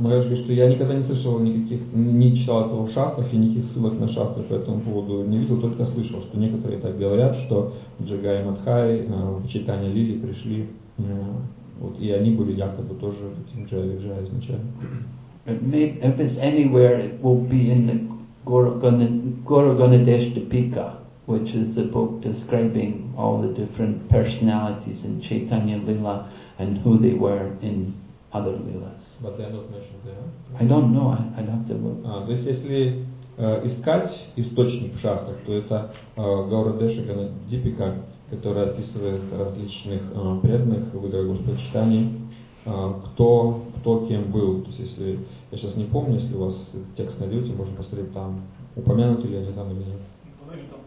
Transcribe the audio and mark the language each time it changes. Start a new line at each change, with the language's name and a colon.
Russian: Моя жизнь, что я никогда не слышал никаких, не читал этого в шастрах и никаких ссылок на шастры по этому поводу не видел, только слышал, что некоторые так говорят, что Джагай Мадхай, Чайтанья Лили пришли, вот и они были якобы тоже этим Джая-Виджая изначально.
English: If it's anywhere, it will be in the Gauraganadeshtipika, which is the book describing all the different personalities in Chaitanya Lila and who they were in other lilas. But they are not mentioned there? I don't know. I'd have to look.
Russian: То есть если искать источник в шастрах, то это Гаурадешаганадипика, которая описывает различных преданных в Игре Господа Чайтаньи, кто кем был. То есть если, я сейчас не помню, если у вас текст найдете, можно посмотреть там, упомянуты ли они там или нет.